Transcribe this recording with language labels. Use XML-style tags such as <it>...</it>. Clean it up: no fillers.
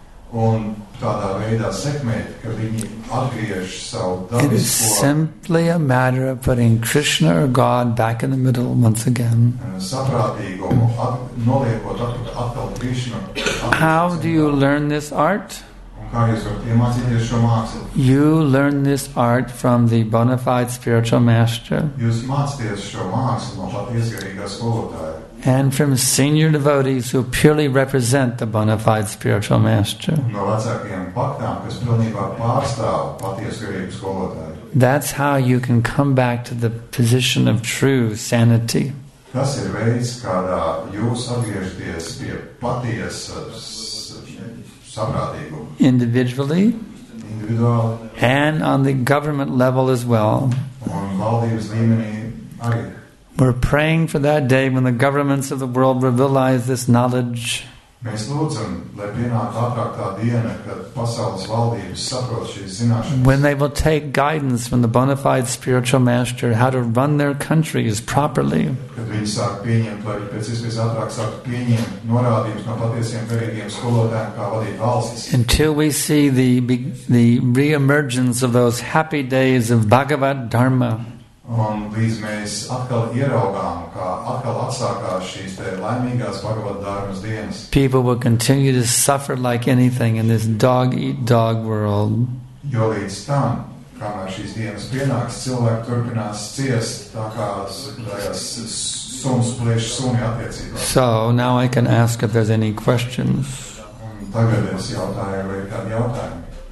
<lv>Un tādā veidā sekmēt, ka viņi atgriež savu dabisko.</lv> <en>It is simply a matter of putting Krishna or God back in the middle once again.</en> <lv>Saprātīgumu noliekot atkal Krishna.</lv> <en>How do you learn this art?</en> <lv>Un kā jūs varat iemācīties šo mākslu?</lv> <en>You learn this art from the bona fide spiritual master.</en> <lv>Jūs mācāties šo mākslu no patiesa garīgā skolotāja.</lv> <en>And from senior devotees who purely represent the bona fide spiritual master.</en> <lv>No vecākajiem paktām, kas pilnībā pārstāv patiesu garīgu skolotāju.</lv> <en>That's how you can come back to the position of true sanity.</en> <lv>Tas ir veids, kādā jūs atgriežaties pie patiesas saprātīguma.</lv> <en>Individually.</en> <lv>Individuāli.</lv> <en>And on the government level as well.</en> <lv>Un valdības līmenī arī.</lv> <en>We're praying for that day when the governments of the world will realize this knowledge.</en> <lv>Mēs lūdzam, lai pienāk ātrāk tā diena, kad pasaules valdības saprot šīs zināšanas.</lv> <en>When they will take guidance from the bona fide spiritual master how to run their countries properly.</en> <lv>Kad viņi sāk pieņemt, vai pēc iespējas ātrāk sāk pieņemt norādījums no patiesiem verīgiem skolotājiem, kā vadīt valstis.</lv> <en>Until we see the reemergence of those happy days of Bhagavad Dharma.</en> <lv>Un līdz mēs atkal ieraugām, kā atkal atsākās šīs te laimīgās Bhagavad Dharmas dienas.</lv> <en>People will continue to suffer like anything in this dog-eat-dog world.</en> <lv>Jo līdz tam, kamēr šīs dienas pienāks, cilvēki turpinās ciest tā kā suns pliešs suni attiecībā.</lv> <en>So, now I can ask if there's any questions.</en> <lv>Un tagad es jautāju, vai ir kādi jautājumi.</lv>